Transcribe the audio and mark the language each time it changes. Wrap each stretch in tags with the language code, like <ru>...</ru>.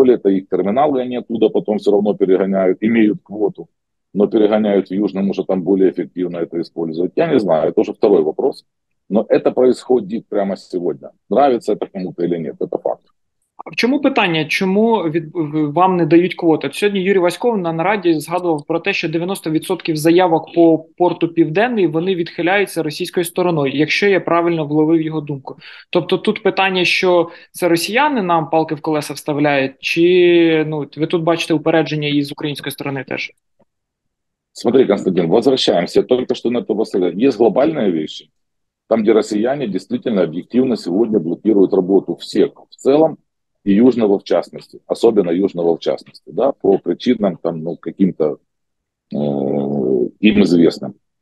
<ru>то ли это их терминалы, они оттуда потом все равно перегоняют, имеют квоту, но перегоняют в Южном, уже там более эффективно это использовать. Я не знаю, это уже второй вопрос. Но это происходит прямо сегодня. Нравится это кому-то или нет, это факт.</ru> <uk>В чому питання? Чому вам не дають квоти? Сьогодні Юрій Васьков на нараді згадував про те, що 90% заявок по порту Південний, вони відхиляються російською стороною, якщо я правильно вловив його думку. Тобто тут питання, що це росіяни нам палки в колеса вставляють, чи ну, ви тут бачите упередження із української сторони теж?</uk> <ru>Смотри, Константин, возвращаемся. Только что на то Василий. Есть глобальные вещи. Там, где россияне действительно объективно сегодня блокируют работу всех в целом, и Южного в частности, особенно Южного в частности, да, по причинам там, ну, каким-то им известным.</ru>